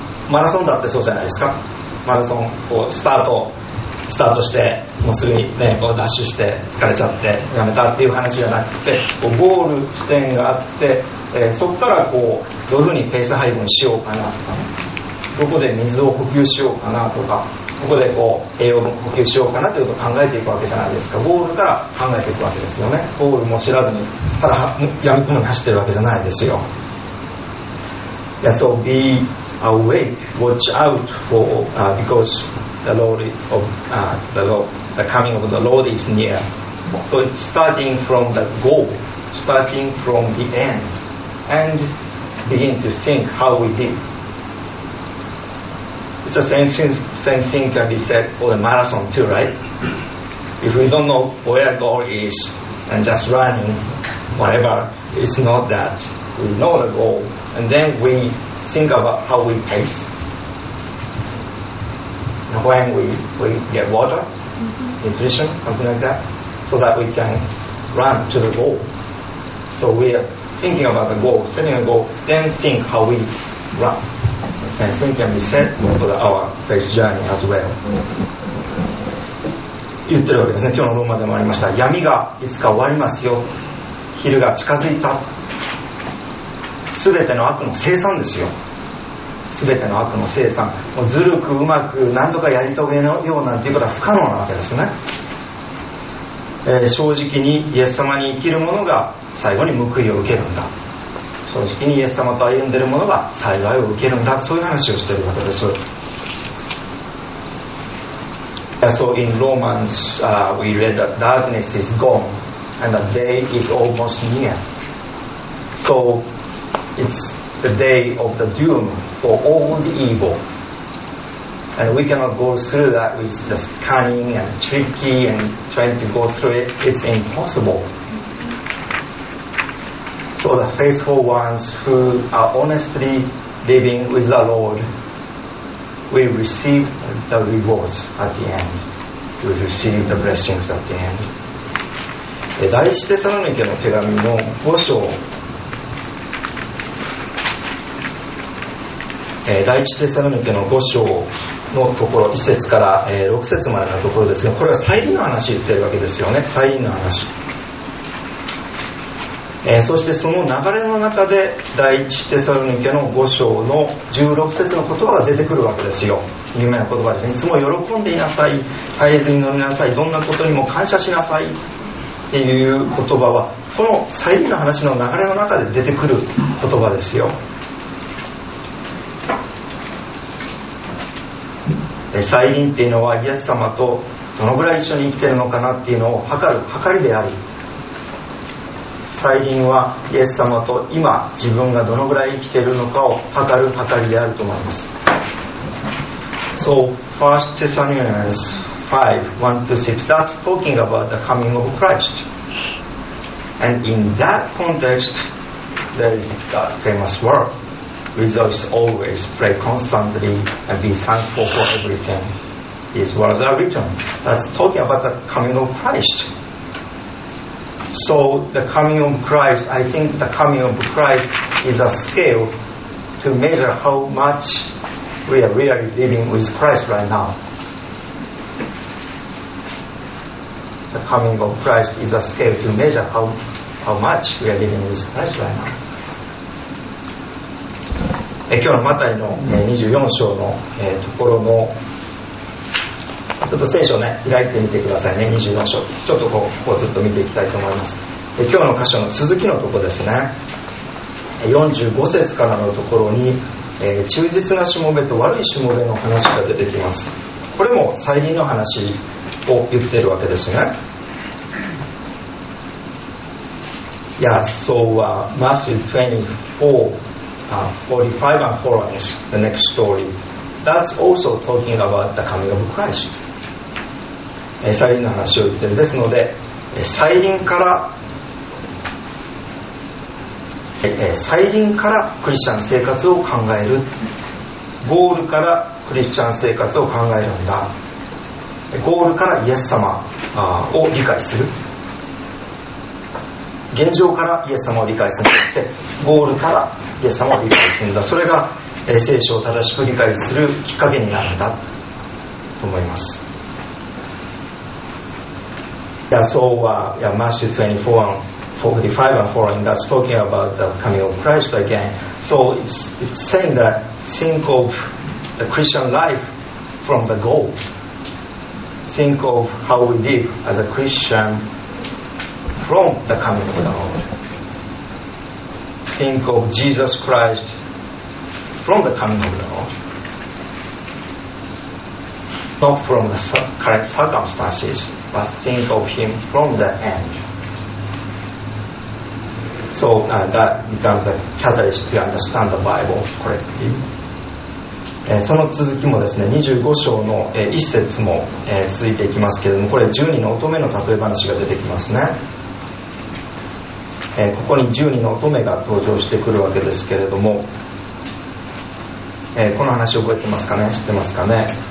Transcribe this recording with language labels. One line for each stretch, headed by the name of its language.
Japanese: マラソンだってそうじゃないですか。マラソンこうスタートしてもうすぐにねこうダッシュして疲れちゃってやめたっていう話じゃなくて、こうゴール地点があって、そこからこうどういうふうにペース配分しようかなとか、どこで水を補給しようかなとか、ここでこう栄養を補給しようかなということを考えていくわけじゃないですか。ゴールから考えていくわけですよね。ゴールも知らずにただやみくもに走ってるわけじゃないですよ。
English: Yeah, so be awake, watch out for because the Lord of the coming of the Lord is near. So it's starting from the goal, starting from the end, and begin to think how we did. It's the same thing can be said for the marathon too, right? If we don't know where goal is and just running, whatever, it's not that. We know the goal, and then we think about how we pace. When we get water, nutrition, something like that, so that we can run to the goal. So we are thinking about the goal, setting a goal, then think how we run. The same thing can be said for our faith journey as well.
Japanese: 言ってるわけですね。今日のローマでもありました。闇がいつか終わりますよ。昼が近づいた。全ての悪の清算ですよ。全ての悪の清算。もうずるくうまく何とかやり遂げのようなんていうことは不可能なわけですね。正直にイエス様に生きる者が最後に報いを受けるんだ。正直にイエス様と歩んでいる者が幸いを受けるんだ。そういう話をしているわけです。
English: So in Romans, we read that darkness is gone and the day is almost near. So it's the day of the doom for all the evil. And we cannot go through that with just cunning and tricky and trying to go through it. It's impossible. So the faithful ones who are honestly living with the Lord, we receive the rewards at the end. We receive the blessings at the end.
Japanese: 第一テサロニケの手紙の五章、第一テサロニケの五章のところ一節から六節までのところですけど、これは再臨の話言ってるわけですよね。再臨の話。そしてその流れの中で第一テサロニケの五章の十六節の言葉が出てくるわけですよ。有名な言葉ですね。いつも喜んでいなさい、絶えずに飲みなさい、どんなことにも感謝しなさいっていう言葉はこの再臨の話の流れの中で出てくる言葉ですよ。再臨っていうのはイエス様とどのぐらい一緒に生きてるのかなっていうのを測る測りである。再臨はイエス様と今自分がどのぐらい生きているのかを測る測りであると思います。
English: So 1 Thessalonians 5:1-6, that's talking about the coming of Christ. And in that context, there is that famous word, rejoice always, pray constantly, and be thankful for everything. is words are written. That's talking about the coming of Christ. So the coming of Christ, I think the coming of Christ is a scale to measure how much we are really living with Christ right now. The coming of Christ is a scale to measure how much we are living with Christ right now.
Japanese: 今日のマタイの24章のところのちょっと聖書をね開いてみてくださいね。 24章ちょっとここずっと見ていきたいと思います。今日の箇所の続きのところですね、45節からのところに忠実なしもべと悪いしもべの話が出てきます。これも再臨の話を言っているわけですね。
English: Yes, so Matthew 24:45 and following the next story. That's also talking about the coming of Christ.
Japanese: 再臨の話を言っているですので、再臨から、再臨からクリスチャン生活を考える、ゴールからクリスチャン生活を考えるんだ、ゴールからイエス様を理解する、現状からイエス様を理解するんだ、ゴールからイエス様を理解するんだ、それが聖書を正しく理解するきっかけになるんだと思います。
English: Yeah, so Matthew 24:45 and following, that's talking about the coming of Christ again. So it's saying that think of the Christian life from the goal. Think of how we live as a Christian from the coming of the Lord. Think of Jesus Christ from the coming of the Lord. Not from the current circumstances, but think of Him from the end. So that becomes the catalyst to understand the Bible correctly.
Japanese: その続きもですね、25章の一節も続いていきますけれども、これ十二の乙女の例え話が出てきますね。ここに十二の乙女が登場してくるわけですけれども、この話覚えてますかね、知ってますかね。